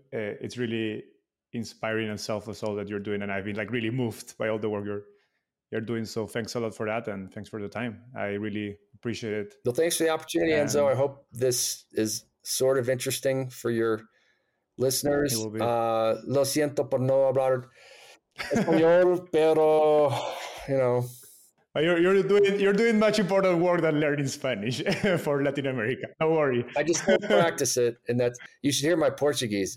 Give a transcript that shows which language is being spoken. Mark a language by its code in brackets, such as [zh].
[en] It's really inspiring and selfless all that you're doing. And I've been like really moved by all the work you're doing. So thanks a lot for that. And thanks for the time. I really appreciate it. Well, thanks for the opportunity, Enzo. I hope this is sort of interesting for your listeners. [es] Lo siento por no hablar español, pero, [en] you know. You're doing much important work than learning Spanish for Latin America. Don't worry. I just don't practice it. And that's, you should hear my Portuguese.